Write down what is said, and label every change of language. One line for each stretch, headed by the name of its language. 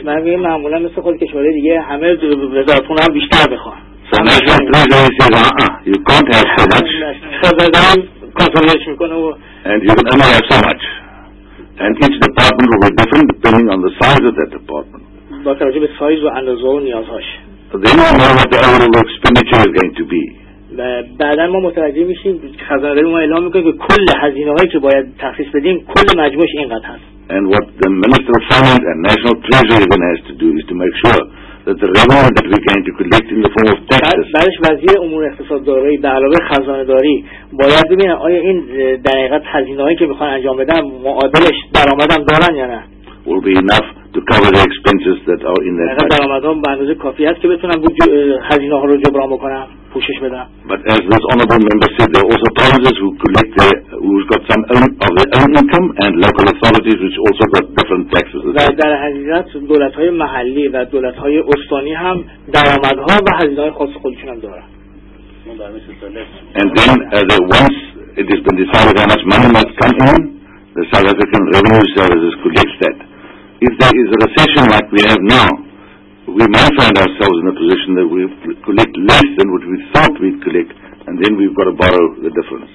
English: So national treasury says, you can't have so much. And you can only have so much. And each department will be different depending on the size of that department. So then you know what the overall expenditure is going to be.
Persian: و بعدا ما متوجه میشیم خزانه داری ما اعلام میکنه که کل هزینه هایی که باید تخصیص بدیم کل مجموعش اینقدر هست.
English: And what the Minister of Finance and National Treasury then has to do is to make sure that the revenue that we're going to collect in the form of taxes.
Persian: بعدش وزیر امور اقتصاد دارایی به علاوه خزانه داری باید ببینه آیا این در حقیقت هزینه هایی که میخوان انجام بدن معادلش درآمدم دارن یا نه.
English: Will be enough to cover the expenses that are in that.
Persian: درآمدم به اندازه کافی هست که بتونم هزینه ها رو جبران بکنم.
English: But as this honourable member said, there are also provinces who collect their, who's got some own, of their own income, and local authorities which also got different taxes.
Persian: و در حقیقت دولت‌های محلی و دولت‌های استانی هم درآمدها و هزینه‌های خاص خودشون هم دارن.
English: And then once it has been decided how much money must come in, the South African Revenue Service collects that. If there is a recession like we have now, we might find ourselves in a position that we collect less than what we thought we'd collect, and then we've got to borrow the difference.